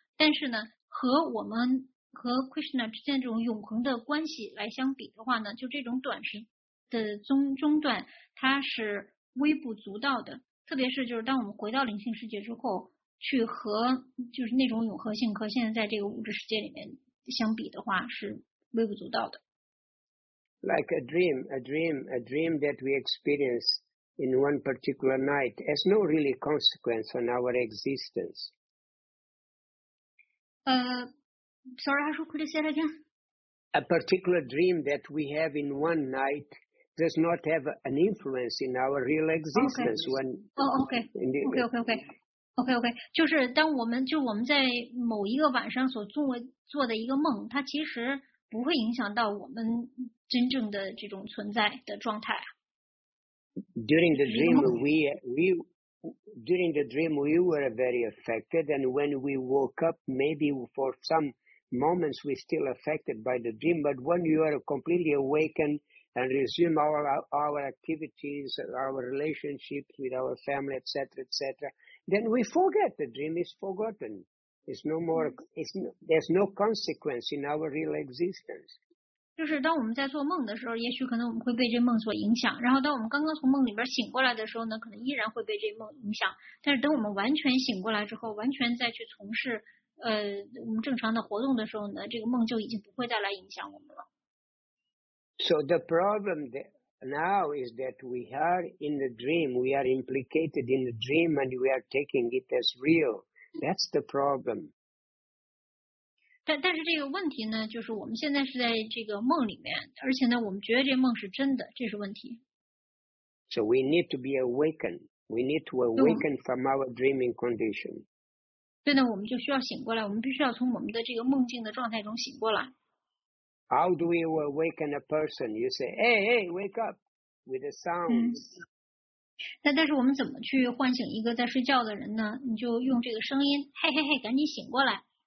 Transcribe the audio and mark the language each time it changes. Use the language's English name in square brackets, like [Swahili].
[Chinese] 但是呢，和我们和 Krishna 之间这种永恒的关系来相比的话呢，就这种短时。的中断，它是微不足道的。特别是就是当我们回到灵性世界之后，去和就是那种永恒性和现在在这个物质世界里面相比的话，是微不足道的。 [English] Like a dream that we experience in one particular night has no really consequence on our existence. Sorry, Ashu, could you say it again? A particular dream that we have in one night. Does not have an influence in our real existence. Okay. When okay. [Chinese] 就是当我们在某一个晚上所做的一个梦，它其实不会影响到我们真正的这种存在的状态。 [English] During the dream, we were very affected, and when we woke up, maybe for some moments we're still affected by the dream, but when you are completely awakened and resume all our activities, our relationships with our family, etc., etc., then we forget. The dream is forgotten. It's no more, there's no consequence in our real existence. [Chinese] 就是当我们在做梦的时候，也许可能我们会被这梦所影响，然后当我们刚刚从梦里边醒过来的时候呢，可能依然会被这梦影响，但是等我们完全醒过来之后，完全再去从事我们正常的活动的时候呢，这个梦就已经不会再来影响我们了。 [English] So the problem now is that we are in the dream, we are implicated in the dream and we are taking it as real. That's the problem. [Chinese] 但是这个问题呢，就是我们现在是在这个梦里面，而且呢，我们觉得这梦是真的，这是问题。 [English] So we need to be awakened. We need to awaken from our dreaming condition. [Chinese] 对呢，我们就需要醒过来，我们必须要从我们的这个梦境的状态中醒过来。 [English] How do we awaken a person? You say, hey, hey, wake up with the sounds. [Chinese] 但是我们怎么去唤醒一个在睡觉的人呢？你就用这个声音，嘿嘿嘿，赶紧醒过来。